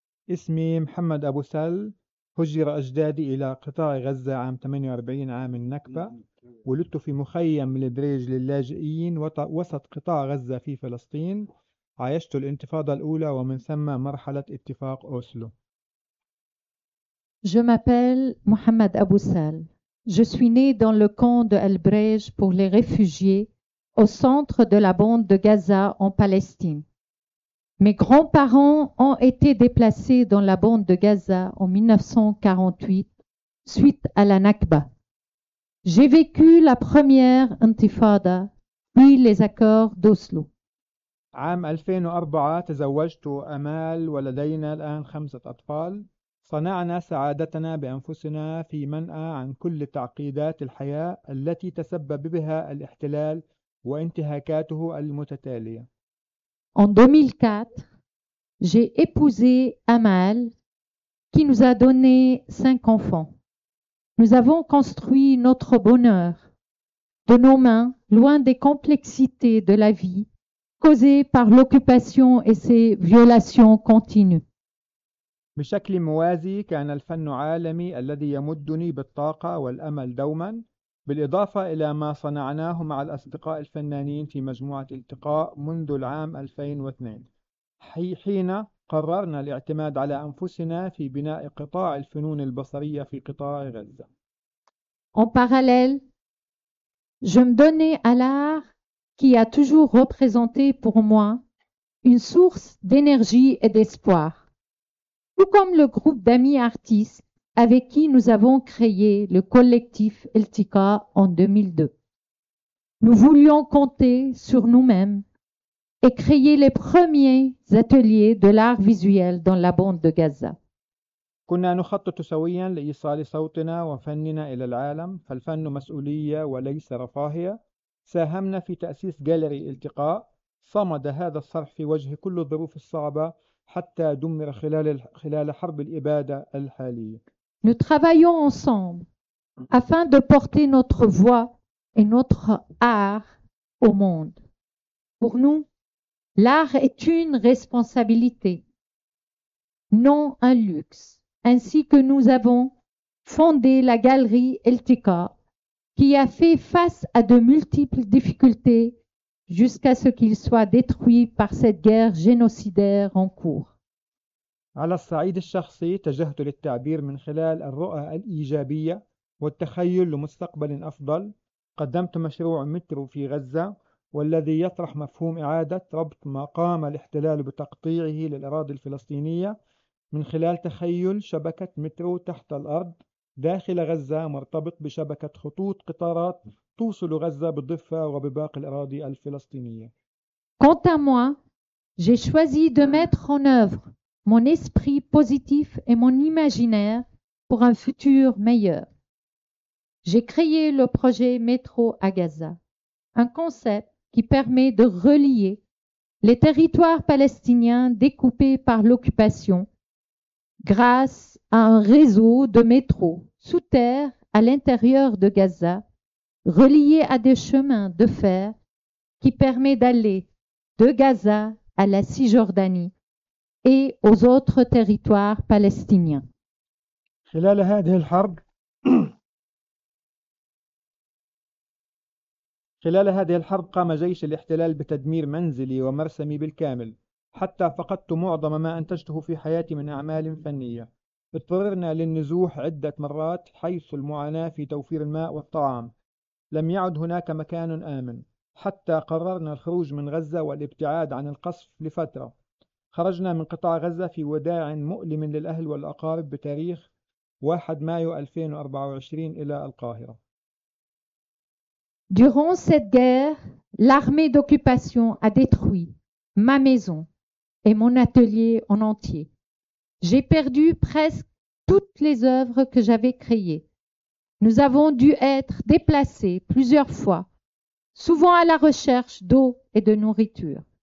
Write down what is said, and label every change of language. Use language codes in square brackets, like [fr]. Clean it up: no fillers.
[ar] اسمي محمد ابو سال هجر اجدادي الى قطاع غزه عام 48 عام النكبه ولدت في مخيم البريج للاجئين وسط قطاع غزة في فلسطين عايشت الانتفاضة الأولى ومن ثم مرحلة اتفاق أوسلو. [fr] Je m'appelle Mohamed Aboussal. Je suis né dans le camp de El Brej pour les réfugiés au centre de la bande de Gaza en Palestine. Mes grands-parents ont été déplacés dans la bande de Gaza en 1948 suite à la Nakba. J'ai vécu la première intifada, puis les accords d'Oslo. [ar] عام 2004 تزوجت أمال ولدينا الآن خمسة أطفال. صنعنا سعادتنا بأنفسنا في منأى عن كل تعقيدات الحياة التي تسبب بها الاحتلال وانتهاكاته المتتالية. [fr] En 2004, j'ai épousé Amal, qui nous a donné cinq enfants. Nous avons construit notre bonheur. de nos mains, loin des complexités de la vie causées par l'occupation et ses violations continues. [ar] بشكل موازي كان الفن عالمي الذي يمدني بالطاقة والأمل دوما بالإضافة إلى ما صنعناه مع الأصدقاء الفنانين في مجموعة التقاء منذ العام 2002 حين قررنا الاعتماد على أنفسنا في بناء قطاع الفنون البصرية في قطاع غزة. [fr] En parallèle, je me donnais à l'art qui a toujours représenté pour moi une source d'énergie et d'espoir. Tout comme le groupe d'amis artistes avec qui nous avons créé le collectif Eltika en 2002. Nous voulions compter sur nous-mêmes et créer les premiers ateliers de l'art visuel dans la bande de Gaza. [ar] كنا نخطط سويا لإيصال صوتنا وفننا إلى العالم، فالفن مسؤولية وليس رفاهية. ساهمنا في تأسيس جاليري التقاء. صمد هذا الصرح في وجه كل الظروف الصعبة حتى دمر خلال حرب الإبادة الحالية. [fr] Nous travaillons ensemble afin de porter notre voix et notre art au monde. Pour nous, l'art est une responsabilité, non un luxe. Ainsi que nous avons fondé la galerie Eltika, qui a fait face à de multiples difficultés jusqu'à ce qu'il soit détruit par cette guerre génocidaire en cours. [ar] على الصعيد الشخصي اتجهت للتعبير من خلال الرؤى الإيجابية والتخيل لمستقبل أفضل. قدمت مشروع مترو في غزة والذي يطرح مفهوم إعادة ربط ما قام الاحتلال بتقطيعه للأراضي الفلسطينية من خلال تخيل شبكة مترو تحت الأرض داخل غزة مرتبط بشبكة خطوط قطارات توصل غزة بالضفة وبباقي الأراضي الفلسطينية. [fr] Quant à moi, j'ai choisi de mettre en œuvre mon esprit positif et mon imaginaire pour un futur meilleur. J'ai créé le projet Métro à Gaza, un concept qui permet de relier les territoires palestiniens découpés par l'occupation grâce à un réseau de métros sous terre à l'intérieur de Gaza, relié à des chemins de fer qui permet d'aller de Gaza à la Cisjordanie et aux autres territoires palestiniens. [ar] خلال هذه الحرب قام جيش الاحتلال بتدمير منزلي ومرسمي بالكامل. حتى فقدت معظم ما أنتجته في حياتي من أعمال فنية. اضطررنا للنزوح عدة مرات حيث المعاناة في توفير الماء والطعام. لم يعد هناك مكان آمن. حتى قررنا الخروج من غزة والابتعاد عن القصف لفترة. خرجنا من قطاع غزة في وداع مؤلم للأهل والأقارب بتاريخ 1 مايو 2024 إلى القاهرة. [fr] Durant cette guerre, l'armée d'occupation a détruit ma maison et mon atelier en entier. J'ai perdu presque toutes les œuvres que j'avais créées. Nous avons dû être déplacés plusieurs fois, souvent à la recherche d'eau et de nourriture.